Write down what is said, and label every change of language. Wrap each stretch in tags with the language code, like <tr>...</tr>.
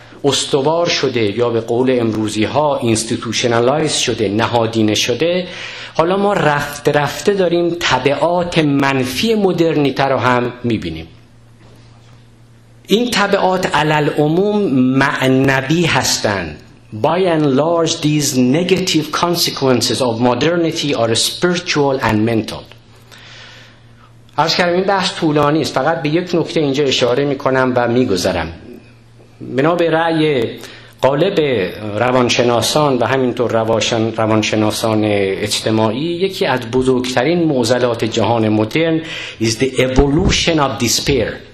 <fa>استوار شده یا به قول امروزی ها institutionalized شده، نهادینه شده، حالا ما رفت رفته داریم تبعات منفی مدرنیته رو هم میبینیم. این تبعات علل عموم معنوی هستند.</fa> <en>By and large these negative consequences of modernity are spiritual and mental.</en> <fa>عرض کردم این بحث طولانی است، فقط به یک نکته اینجا اشاره میکنم و میگذرم. بنا به رأی غالب روانشناسان و همینطور روانشناسان اجتماعی، یکی از بزرگترین معضلات جهان مدرن</fa> <en>is the evolution of despair.</en>